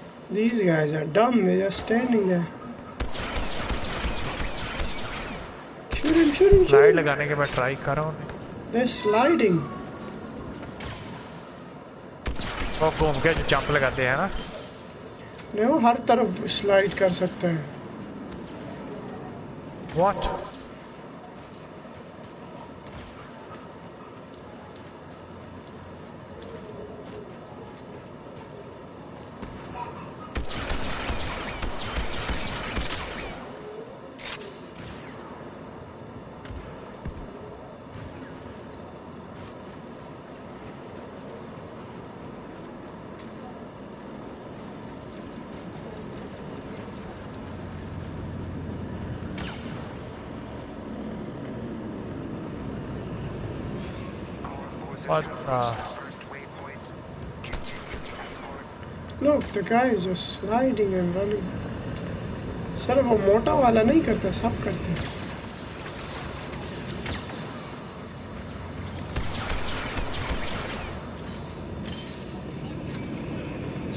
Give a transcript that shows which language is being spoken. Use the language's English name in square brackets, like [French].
[English] These guys are dumb, they're just standing there. Shoot him, shoot him, shoot Slide him. [Hindi] लगाने के बाद try कर रहा हूँ [English] They're sliding. [Hindi] वो घूम के जो जंप लगाते हैं ना नहीं वो हर तरफ स्लाइड कर सकते हैं [English] What? What? Look, the guy is just sliding and running. [Hindi] Sir वो मोटा वाला नहीं करता, सब करते हैं।